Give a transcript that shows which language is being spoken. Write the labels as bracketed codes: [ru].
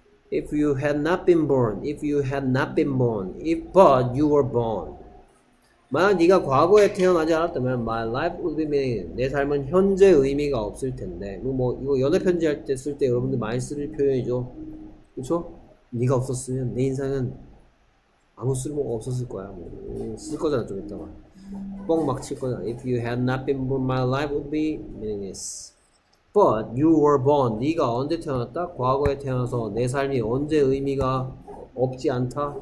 [en] If you had not been born, if you had not been born, if but you were born. [ko] 만약 네가 과거에 태어나지 않았다면 [en] my life would be meaningless. [ko] 내 삶은 현재 의미가 없을 텐데. 뭐 이거 연애 편지 할 때 쓸 때 여러분들 많이 쓰는 표현이죠. 그렇죠? 네가 없었으면 내 인생은 아무 쓸모가 없었을 거야. 뭐, 쓸 거잖아 좀 이따가. 뻥 막 칠 거잖아. [en] If you had not been born, my life would be meaningless. But you were born. [ko] 네가 언제 태어났다? 과거에 태어나서 내 삶이 언제 의미가 없지 않다?